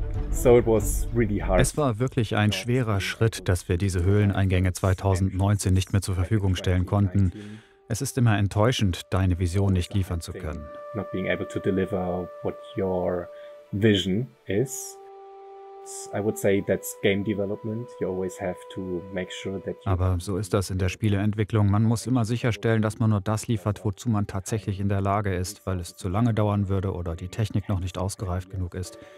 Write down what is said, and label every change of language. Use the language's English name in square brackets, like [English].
[English] So it was really hard. [German] Es war wirklich ein schwerer Schritt, dass wir diese Höhleneingänge 2019 nicht mehr zur Verfügung stellen konnten. Es ist immer enttäuschend, deine Vision nicht liefern zu können. [English] Not being able to deliver what your vision is. I would say that's game development. You always have to make sure that. [German] Aber so ist das in der Spieleentwicklung. Man muss immer sicherstellen, dass man nur das liefert, wozu man tatsächlich in der Lage ist, weil es zu lange dauern würde oder die Technik noch nicht ausgereift genug ist.